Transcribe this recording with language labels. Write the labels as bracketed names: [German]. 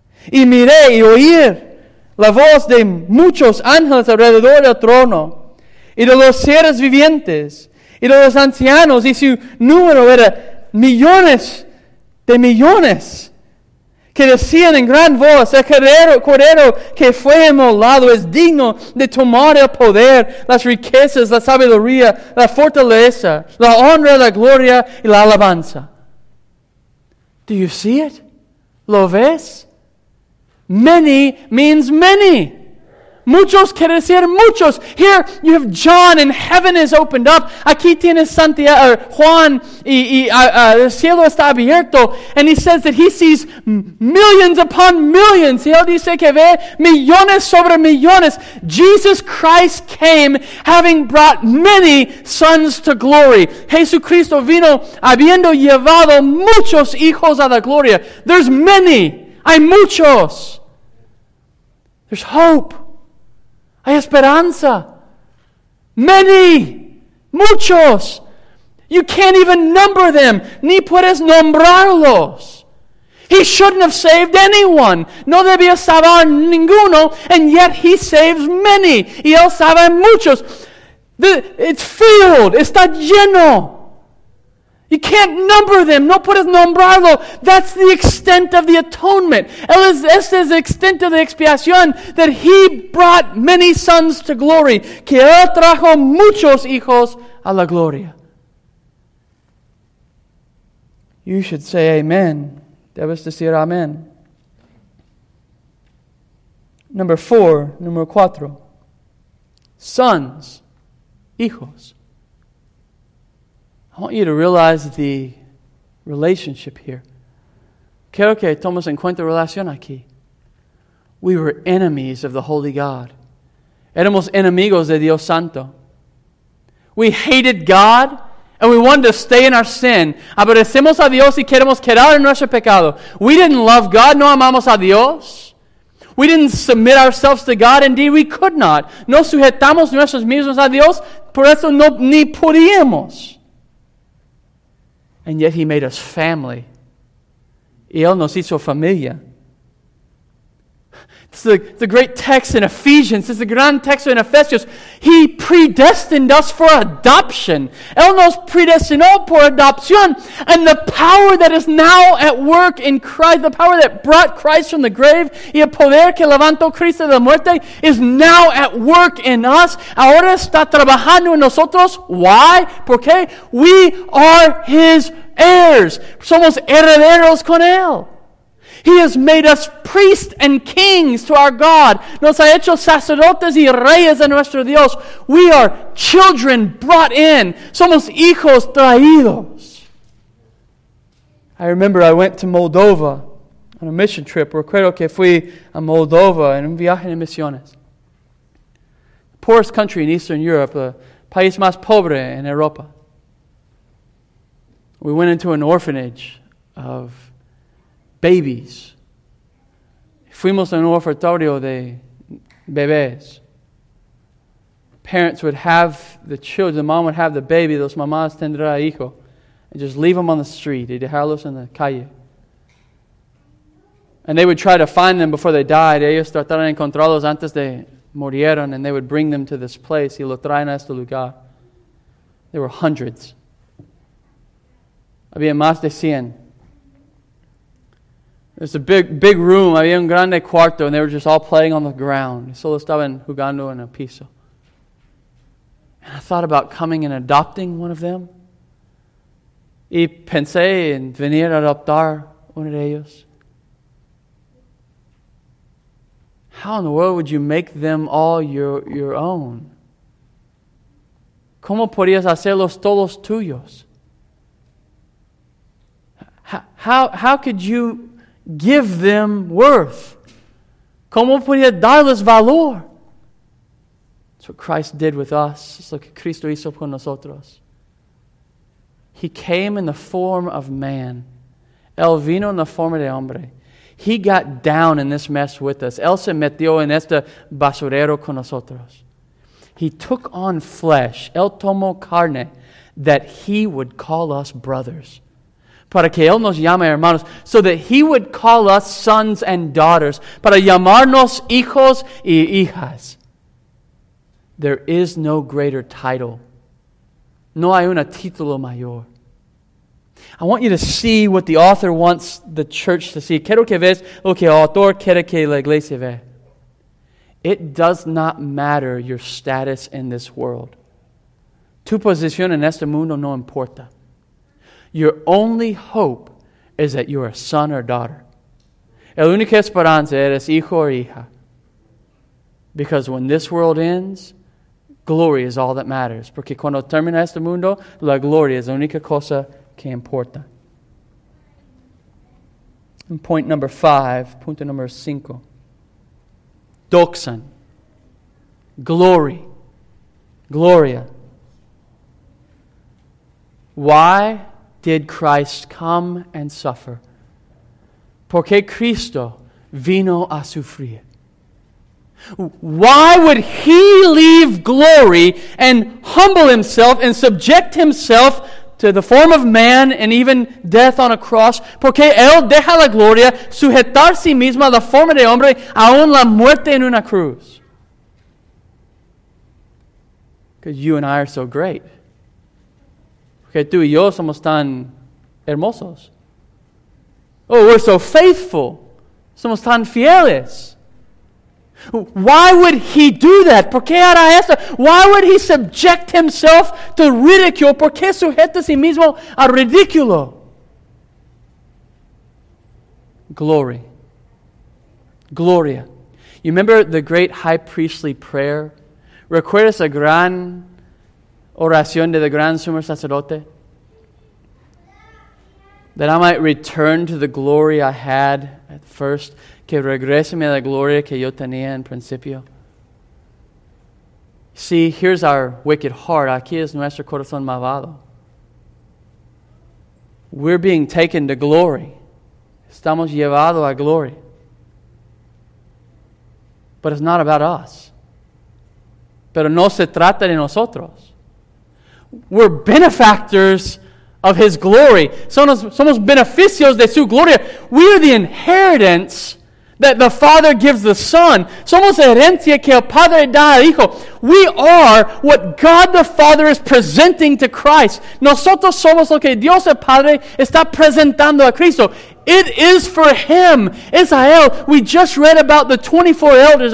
[Spanish] Y miré y oí la voz de muchos ángeles alrededor del trono y de los seres vivientes y de los ancianos, y su número era millones de millones, que decían en gran voz, el Cordero que fue inmolado es digno de tomar el poder, las riquezas, la sabiduría, la fortaleza, la honra, la gloria y la alabanza. [English] Do you see it? [Spanish] ¿Lo ves? [English] Many means many. [Spanish] Muchos quiere decir muchos. [English] Here you have John and heaven is opened up. [Spanish] Aquí tienes Santiago, Juan y el cielo está abierto. [English] And he says that he sees millions upon millions. [Spanish] Y él dice que ve millones sobre millones. [English] Jesus Christ came having brought many sons to glory. [Spanish] Jesucristo vino habiendo llevado muchos hijos a la gloria. [English] There's many. [Spanish] Hay muchos. [English] There's hope. [Spanish] Hay esperanza. [English] Many. [Spanish] Muchos. [English] You can't even number them. [Spanish] Ni puedes nombrarlos. [English] He shouldn't have saved anyone. [Spanish] No debía salvar ninguno. [English] And yet he saves many. [Spanish] Y él salva muchos. [English] It's filled. [Spanish] Está lleno. [English] You can't number them. [Spanish] No puedes nombrarlo. [English] That's the extent of the atonement. [Spanish] Esa es la [English] extent of the [Spanish] expiación, [English] that he brought many sons to glory. [Spanish] Que él trajo muchos hijos a la gloria. [English] You should say amen. [Spanish] Debes decir amen. Número cuatro. [English] Sons. [Spanish] Hijos. [English] I want you to realize the relationship here. [Spanish] Quiero que tomes en cuenta la relación aquí. [English] We were enemies of the Holy God. [Spanish] Éramos enemigos de Dios Santo. [English] We hated God and we wanted to stay in our sin. [Spanish] Aborrecemos a Dios y queremos quedar en nuestro pecado. [English] We didn't love God, [Spanish] no amamos a Dios. [English] We didn't submit ourselves to God. Indeed, we could not. [Spanish] No sujetamos nuestros mismos a Dios. Por eso no ni podíamos. [English] And yet he made us family. [Spanish] Y él nos hizo familia. [English] It's a great text in Ephesians. It's a grand text in Ephesians. He predestined us for adoption. [Spanish] Él nos predestinó por adopción. [English] And the power that is now at work in Christ, the power that brought Christ from the grave, [Spanish] y el poder que levantó Cristo de la muerte, [English] is now at work in us. [Spanish] Ahora está trabajando en nosotros. [English] Why? [Spanish] ¿Por qué? [English] We are His heirs. [Spanish] Somos herederos con Él. [English] He has made us priests and kings to our God. [Spanish] Nos ha hecho sacerdotes y reyes a nuestro Dios. [English] We are children brought in. [Spanish] Somos hijos traídos. [English] I remember I went to Moldova on a mission trip. [Spanish] Recuerdo que fui a Moldova en un viaje de misiones. [English] The poorest country in Eastern Europe, the [Spanish] país más pobre en Europa. [English] We went into an orphanage of babies. [Spanish] Fuimos a un orfanato de bebés. [English] Parents would have the children, the mom would have the baby, [Spanish] los mamás tendrá hijo, [English] and just leave them on the street, [Spanish] y dejarlos en la calle. [English] And they would try to find them before they died. [Spanish] Ellos trataron de encontrarlos antes de murieron, [English] and they would bring them to this place, [Spanish] y lo traen a este lugar. [English] There were hundreds. [Spanish] Había más de 100. [English] It's a big room. [Spanish] Había un grande cuarto, [English] and they were just all playing on the ground. [Spanish] Solo estaban jugando en el piso. [English] And I thought about coming and adopting one of them. [Spanish] Y pensé en venir a adoptar uno de ellos. [English] How in the world would you make them all your own? [Spanish] ¿Cómo podrías hacerlos todos tuyos? [English] How could you give them worth? [Spanish] ¿Cómo podía darles valor? [English] That's what Christ did with us. It's like [Spanish] Cristo hizo con nosotros. [English] He came in the form of man. [Spanish] Él vino en la forma de hombre. [English] He got down in this mess with us. [Spanish] Él se metió en este basurero con nosotros. [English] He took on flesh. [Spanish] Él tomó carne [English] that He would call us brothers. [Spanish] Para que Él nos llame hermanos, [English] so that He would call us sons and daughters, [Spanish] para llamarnos hijos y hijas. [English] There is no greater title. [Spanish] No hay una título mayor. [English] I want you to see what the author wants the church to see. [Spanish] Quiero que veas lo que el autor quiere que la iglesia vea. [English] It does not matter your status in this world. [Spanish] Tu posición en este mundo no importa. [English] Your only hope is that you are a son or daughter. [Spanish] El única esperanza eres hijo o hija. [English] Because when this world ends, glory is all that matters. [Spanish] Porque cuando termina este mundo, la gloria es la única cosa que importa. And punto número cinco. Doxan. [English] Glory. [Spanish] Gloria. [English] Why did Christ come and suffer? Porque Cristo vino a sufrir. Why would He leave glory and humble Himself and subject Himself to the form of man and even death on a cross? [Spanish] Porque Él deja la gloria, sujetar sí mismo a la forma de hombre, aún la muerte en una cruz. [English] Because you and I are so great. [Spanish] Porque tú y yo somos tan hermosos. [English] Oh, we're so faithful. [Spanish] Somos tan fieles. [English] Why would He do that? [Spanish] ¿Por qué hará eso? [English] Why would He subject Himself to ridicule? [Spanish] ¿Por qué sujeta a sí mismo a ridículo? [English] Glory. [Spanish] Gloria. [English] You remember the great high priestly prayer? [Spanish] ¿Recuerdas la gran oración de la gran sumo sacerdote? [English] That I might return to the glory I had at first. [Spanish] Que regrese a la gloria que yo tenía en principio. [English] See, here's our wicked heart. [Spanish] Aquí es nuestro corazón malvado. [English] We're being taken to glory. [Spanish] Estamos llevados a [English] glory. But it's not about us. [Spanish] Pero no se trata de nosotros. [English] We're benefactors of His glory. [Spanish] Somos beneficios de su gloria. [English] We are the inheritance that the Father gives the Son. [Spanish] Somos herencia que el Padre da al Hijo. [English] We are what God the Father is presenting to Christ. [Spanish] Nosotros somos lo que Dios el Padre está presentando a Cristo. [English] It is for Him. [Spanish] Es a Él. [English] We just read about the 24 elders.